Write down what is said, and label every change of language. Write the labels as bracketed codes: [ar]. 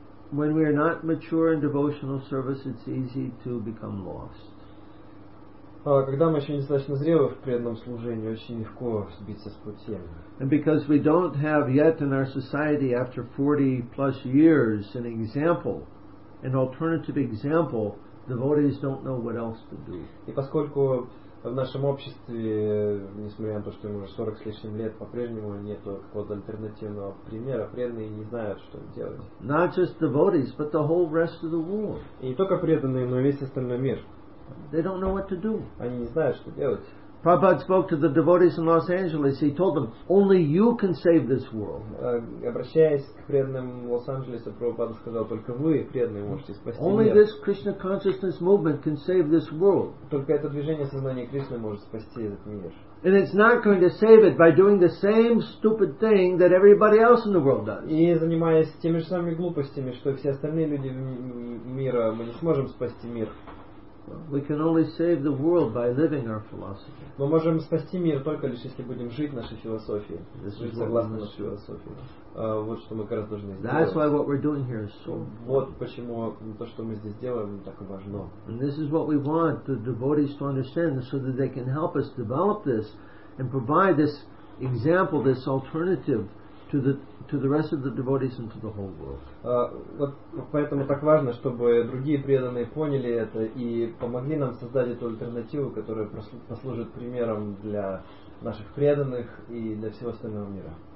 [en] When we are not mature in devotional service, it's easy to become lost. [ru] Когда мы еще недостаточно зрелы в преданном служении, очень легко сбиться с пути. [en] And because we don't have yet in our society, after 40 plus years, an alternative example, devotees don't know what else to do. [ru] И поскольку в нашем обществе, несмотря на то, что ему уже 40 с лишним лет, по-прежнему нету какого-то альтернативного примера, преданные не знают, что делать. [en] Not just devotees, but the whole rest of the world. [ru] И не только преданные, но и весь остальной мир. [en] They don't know what to do. [ru] Они не знают, что делать. [en] Prabhupada spoke to the devotees in Los Angeles. He told them, only you can save this world. [ru] Обращаясь к преданным Лос-Анджелеса, Прабхупада сказал, только вы, преданные, можете спасти мир. [en] Only this Krishna consciousness movement can save this world. [ru] Только это движение сознания Кришны может спасти этот мир. [en] And it's not going to save it by doing the same stupid thing that everybody else in the world does. [ru] И занимаясь теми же самыми глупостями, что все остальные люди мира, мы не сможем спасти мир. [en] We can only save the world by living our philosophy. [ru] Мы можем спасти мир только лишь если будем жить нашей философией, жить согласно нашей философии. Вот что мы как раз должны сделать. [en] That's why what we're doing here is so. [ru] Вот почему то, что мы здесь делаем, так важно. [en] And this is what we want the devotees to understand, so that they can help us develop this and provide this example, this alternative to the rest of the devotees and to the whole world. [ru] Поэтому так важно, чтобы другие преданные поняли это и помогли нам создать эту альтернативу, которая послужит примером для наших преданных и для всего остального мира.